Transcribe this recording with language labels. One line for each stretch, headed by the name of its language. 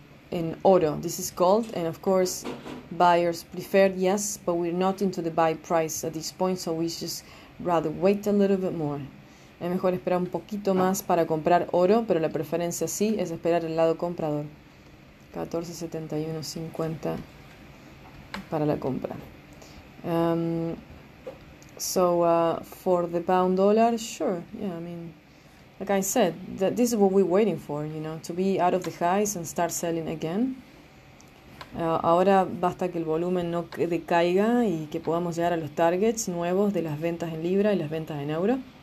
English: in oro, this is gold, and of course buyers prefer, yes, but we're not into the buy price at this point, so we just rather wait a little bit more.
Spanish: Es mejor esperar un poquito más para comprar oro, pero la preferencia sí es esperar el lado comprador. 14.71.50 para la compra.
English: For the pound dollar, sure, yeah, I mean, like I said, that this is what we're waiting for, you know, to be out of the highs and start selling again.
Spanish: Ahora basta que el volumen no decaiga y que podamos llegar a los targets nuevos de las ventas en libra y las ventas en euro.